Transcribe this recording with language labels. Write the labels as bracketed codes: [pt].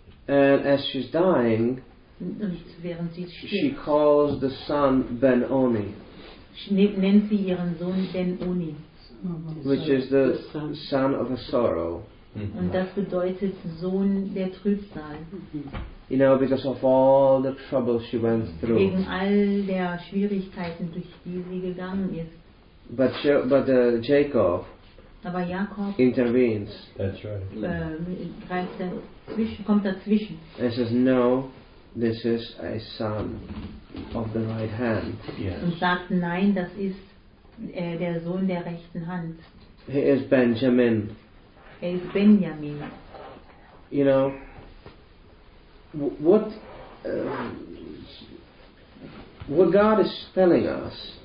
[en] And as she's dying, she calls the son Ben-Oni. [de] Nennt sie ihren Sohn Ben-Oni. [en] Which is the son of a sorrow. [de] Und das bedeutet Sohn der Trübsal. [en] You know, because of all the trouble she went through. [de] Wegen all der Schwierigkeiten, durch die sie gegangen ist. [en] But Jacob. [de] Aber Jakob [en] intervenes. That's right. [de] Kommt dazwischen. [en] And says, no, this is a son of the right hand. Yes. [de] Und sagt, nein, das ist der Sohn der rechten Hand. [en] He is Benjamin. [de] Er ist Benjamin. [en] You know, what God is telling us,